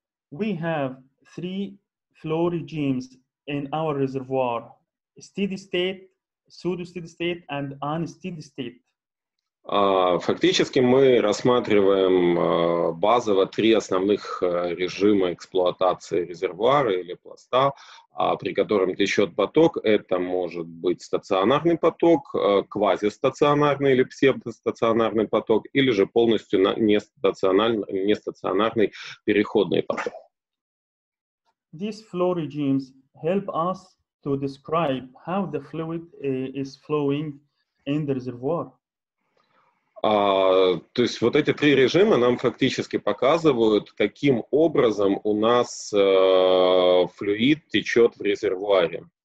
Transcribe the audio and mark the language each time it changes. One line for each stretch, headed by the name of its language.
English: We have three flow regimes in our reservoir. Steady state, pseudo-steady state and unsteady state.
Russian: Фактически мы рассматриваем базово три основных режима эксплуатации резервуара или пласта, при котором течет поток. Это может быть стационарный поток, квазистационарный или псевдостационарный поток, или же полностью нестационарный переходный поток.
English: These flow regimes help us to describe how the fluid is flowing in the reservoir.
Russian: То есть вот эти три режима нам фактически показывают, каким образом у нас флюид течет в резервуаре.